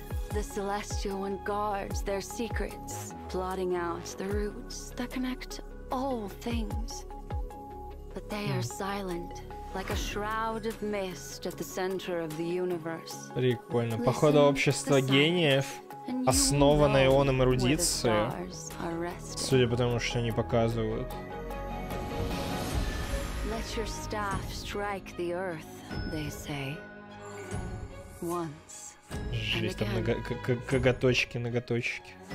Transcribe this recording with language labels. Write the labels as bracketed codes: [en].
[en] The Celestial One guards their secrets, plotting out the roots that connect all things. But they are silent, like a shroud of mist at the center of the universe. [ru] Прикольно. Походу, общество гениев. основана ионом эрудиции, судя по тому, что они показывают. [en] Let your staff strike the earth, they say. Once. [ru] Жесть, там коготочки, ноготочки.